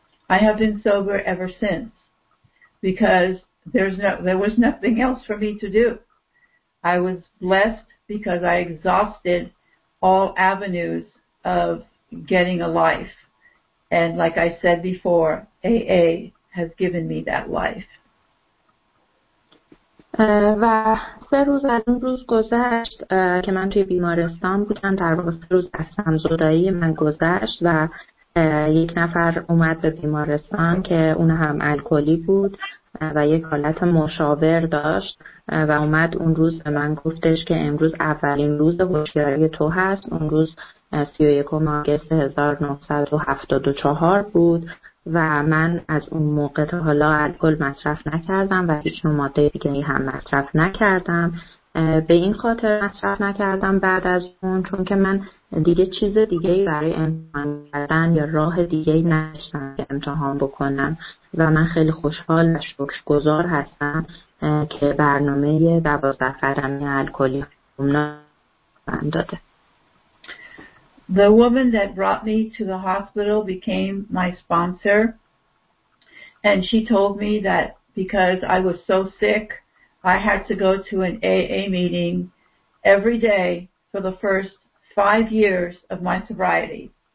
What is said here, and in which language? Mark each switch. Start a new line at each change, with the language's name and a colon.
English: I have been sober ever since because there was nothing else for me to do. I was blessed because I exhausted all avenues of getting a life. And like I said before, AA has given me that life.
Persian: و سه روز از اون روز گذشت که من توی بیمارستان بودم، در واقع سه روز از همزدایی من گذشت و یک نفر اومد به بیمارستان که اون هم الکلی بود و یک حالت مشاور داشت و اومد اون روز به من گفتش که امروز اولین روز هوشیاری تو هست. اون روز 31 آگوست 1974 بود و من از اون موقع تا حالا الکل مصرف نکردم و هیچ نوع ماده دیگه هم مصرف نکردم. به این خاطر مصرف نکردم بعد از اون، چون که من دیگه چیز دیگه برای امتحان کردن یا راه دیگه نداشتم که امتحان بکنم و من خیلی خوشحال و شکرگزار هستم که برنامه 12 قدمی الکلی هم داده.
English: The woman that brought me to the hospital became my sponsor, and she told me that because I was so sick, I had to go to an AA meeting every day for the first 5 years of my sobriety.